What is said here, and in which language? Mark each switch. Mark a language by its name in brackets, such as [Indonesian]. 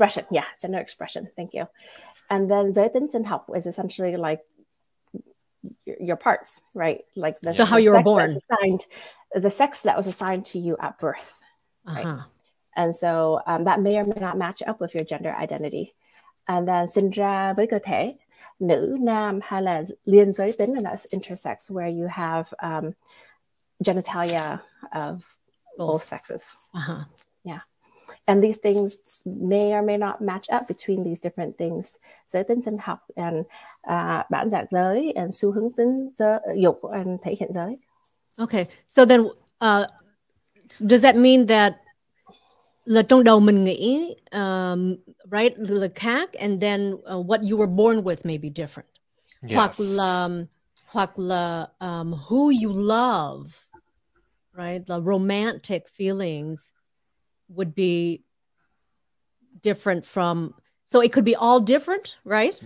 [English] Yeah, gender expression. Thank you. And then [Vietnamese] giới tính sinh học [English] is essentially like your parts, right? Like the, so how you were born, assigned, the sex that was assigned to you at birth, right? And so that may or may not match up with your gender identity. And then [Vietnamese] sinh ra với cơ thể, nữ, nam, hay là liên giới tính, [English] and that's intersex, where you have genitalia of both sexes. Yeah. And these things may or may not match up between these different things. [Vietnamese] Giới tính sinh học and bản dạng giới and xu hướng tính dục and thể hiện giới. [English] Okay, so then does that mean that [Vietnamese] là trong đầu mình nghĩ, [English] right, [Vietnamese] là khác, [English] and then what you were born with may be different. Yes. [Vietnamese] Hoặc là [English] who you love, right, the romantic feelings would be different from, so it could be all different, right?